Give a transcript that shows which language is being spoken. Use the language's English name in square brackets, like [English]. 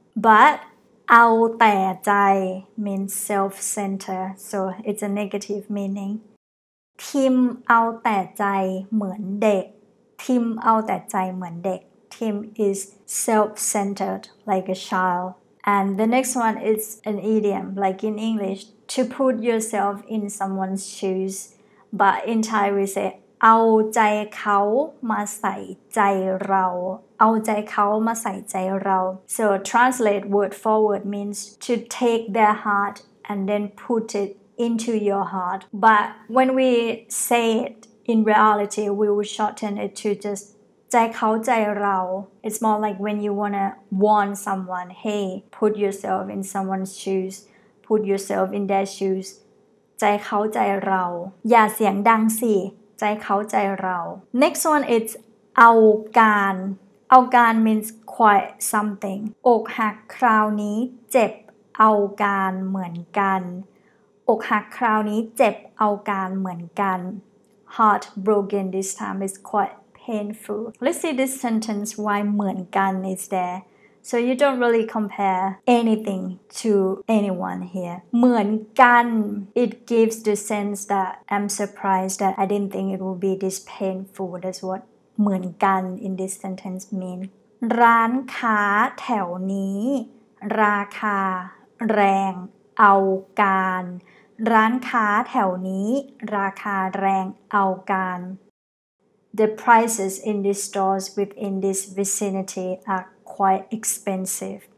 [English] But เอาแต่ใจ means self-centered, so it's a negative meaning. [Thai] ทิมเอาแต่ใจเหมือนเด็ก ทิมเอาแต่ใจเหมือนเด็ก [English] Tim is self-centered like a child. And the next one is an idiom, like in English, to put yourself in someone's shoes. But in Thai, we say, [Thai] เอาใจเขามาใส่ใจเราเอาใจเขามาใส่ใจเรา [English] So translate word for word means to take their heart and then put it into your heart. But when we say it in reality, we will shorten it to just ใจเขาใจเรา It's more like when you wanna warn someone Hey, put yourself in someone's shoes Put yourself in their shoes [Thai] ใจเขาใจเราอย่าเสียงดังสิใจเขาใจเรา [English] Next one is [Thai] เอาการเอาการ [English] means quite something [Thai] อกหักคราวนี้เจ็บเอาการเหมือนกันอกหักคราวนี้เจ็บเอาการเหมือนกัน [English] Heart broken this time is quitepainful. Let's see this sentence why เหมือนกัน is there. So you don't really compare anything to anyone here. เหมือนกัน it gives the sense that I'm surprised that I didn't think it would be this painful. That's what เหมือนกัน in this sentence mean. [Thai] ร้านค้าแถวนี้ราคาแรงเอาการร้านค้าแถวนี้ราคาแรงเอาการ [English] The prices in these stores within this vicinity are quite expensive.